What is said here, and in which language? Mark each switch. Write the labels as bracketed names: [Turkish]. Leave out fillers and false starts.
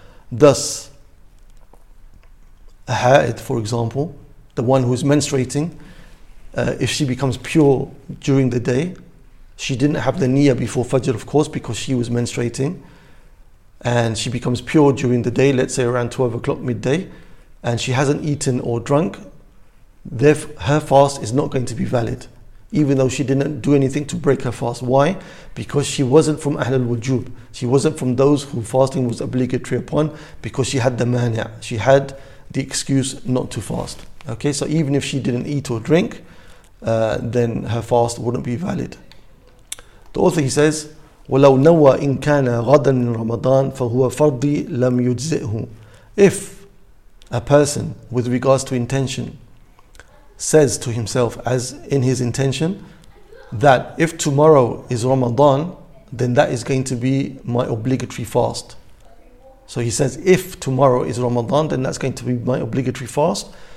[English] Thus, a ha'id, for example, the one who is menstruating, if she becomes pure during the day, she didn't have the niyyah before Fajr, of course, because she was menstruating, and she becomes pure during the day, let's say around 12 o'clock midday, and she hasn't eaten or drunk, her fast is not going to be valid, even though she didn't do anything to break her fast. Why? Because she wasn't from Ahlul Wujub. She wasn't from those who fasting was obligatory upon, because she had the mani'ah. She had the excuse not to fast. Okay, so even if she didn't eat or drink, then her fast wouldn't be valid. The author, he says, [Arabic] وَلَوْ نَوَى إِن كَانَ غَدًا مِنْ رَمَضَانَ فَهُوَ فَرْضِي لَمْ يُجْزِئْهُ. [English] If a person, with regards to intention, says to himself, as in his intention, that if tomorrow is Ramadan, then that is going to be my obligatory fast. So he says, if tomorrow is Ramadan, then that's going to be my obligatory fast.